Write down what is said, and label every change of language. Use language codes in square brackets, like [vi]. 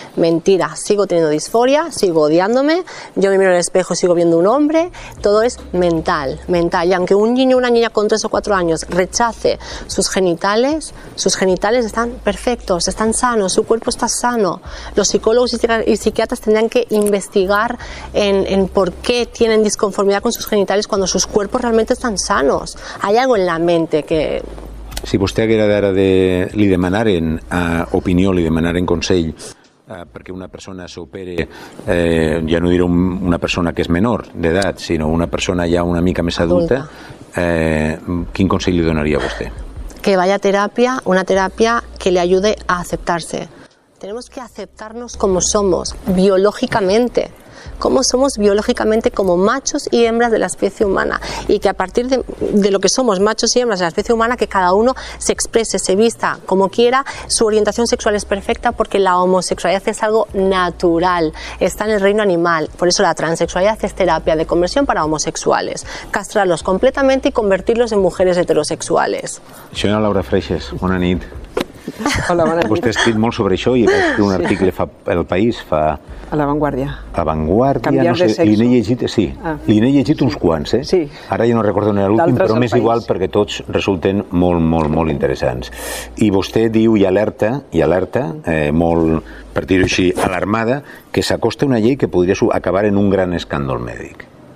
[es] Mentira, sigo teniendo disforia, sigo odiándome, yo me miro al espejo y sigo viendo un hombre, todo es mental, y aunque un niño o una niña con 3 o 4 años rechace sus genitales están perfectos, están sanos, su cuerpo está sano. Los psicólogos y psiquiatras tendrían que investigar en por qué tienen disconformidad con sus genitales cuando sus cuerpos realmente están sanos. Hay algo en la mente que... [ca] Si vostè haguera d'ara de li demanaren opinió, li demanaren consell perquè una persona s'opere, ja no diré una persona que és menor d'edat, sinó una persona ja una mica més adulta, quin consell li donaria a vostè? [es] Que vaya a terapia, una terapia que le ayude a aceptarse. Tenemos que aceptarnos como somos, biológicamente. Cómo somos biológicamente como machos y hembras de la especie humana y que a partir de lo que somos machos y hembras de la especie humana que cada uno se exprese, se vista como quiera, su orientación sexual es perfecta porque la homosexualidad es algo natural, está en el reino animal, por eso la transexualidad es terapia de conversión para homosexuales, castrarlos completamente y convertirlos en mujeres heterosexuales. Señora Laura Freixas, buena nit. [ca] Hola, bona nit. Vostè ha escrit molt sobre això i va escriure un article fa El País, fa... A La Vanguardia. La Vanguardia, Canviar no sé, li n'he llegit, sí, ah. Li n'he llegit uns quants, eh? Sí. Ara jo no recordo on era l'últim, però m'és igual perquè tots resulten molt, molt, molt interessants. I vostè diu i alerta, molt, per dir-ho així, alarmada, que s'acosta una llei que podria acabar en un gran escàndol mèdic.